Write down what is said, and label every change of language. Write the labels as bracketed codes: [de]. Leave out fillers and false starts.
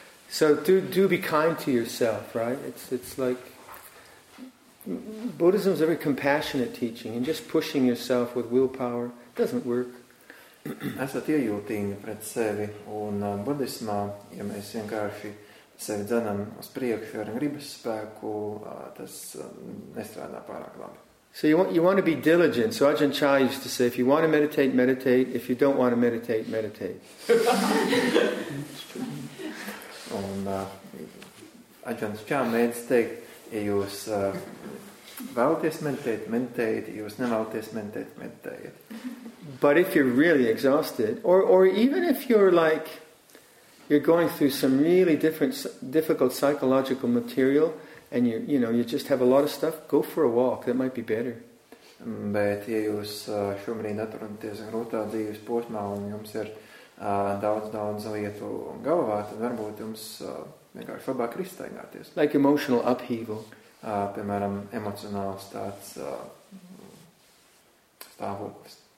[en] So do be kind to yourself, right? It's like Buddhism is a very compassionate teaching, and just pushing yourself with willpower doesn't work. [lv] Esat iejūtīgi pret sevi, un buddhismā, ja mēs vienkārši sevi dzenam uz priekšu ar gribas spēku, tas nestrādā pārāk labi. [en] So you want to be diligent. So Ajahn Chah used to say, if you want to meditate, meditate. If you don't want to meditate, meditate. [lv] Un Ajahn Chah mēdz teikt, ja jūs vēlaties meditēt, meditēt, ja jūs nevēlaties meditēt, meditēt. [en] But if you're really exhausted, or even if you're like, you're going through some really difficult psychological material and you just have a lot of stuff, go for a walk, that might be better. [lv] Bet ja jūs šobrīd atrodaties grūtā dzīves posmā un jums ir daudz lietu galvā, tad varbūt jums vienkārši labāk ir izstaigāties. [en] Like emotional upheaval. [lv] Piemēram, emocionāls tāds stāvoklis.